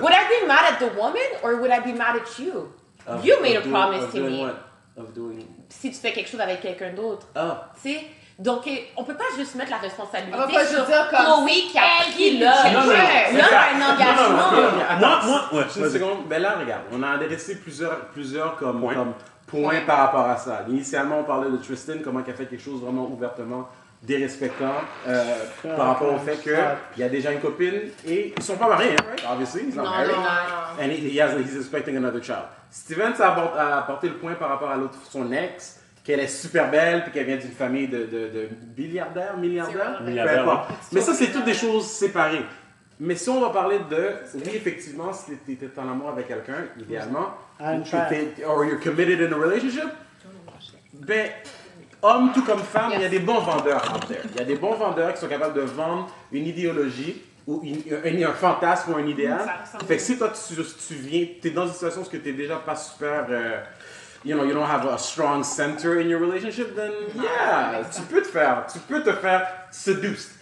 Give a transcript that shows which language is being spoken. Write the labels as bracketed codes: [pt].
[en] Would I be mad at the woman or would I be mad at you? You made a promise to me. Of doing what? Of doing. [fr] Si tu fais quelque chose avec quelqu'un d'autre. Oh. Tu sais. Donc, on peut pas juste mettre la responsabilité sur Khloé qui a pris l'homme. Non, un engagement. Ben là, regarde, on a adressé plusieurs points par rapport à ça. Initialement, on parlait de Tristan, comment il a fait quelque chose vraiment ouvertement dérespectant par rapport au fait qu'il y a déjà une copine et ils sont pas mariés, obviously. Non. [en] And he's expecting another child. [fr] Steven a apporté le point par rapport à l'autre, son ex. Qu'elle est super belle puis qu'elle vient d'une famille de milliardaires, milliardaires. Mais ça, c'est toutes des choses séparées. Mais si on va parler de, oui, effectivement, si tu étais en amour avec quelqu'un, idéalement, ou [en] you're committed in a relationship, [fr] ben, homme tout comme femme, il y a des bons vendeurs [en] out there. [fr] Il y a des bons vendeurs qui sont capables de vendre une idéologie ou un fantasme ou un idéal. Fait que si toi, tu viens, tu es dans une situation où tu n'es déjà pas super... [en] you know, you don't have a strong center in your relationship, then yeah, [fr] tu peux te faire [en] seduced.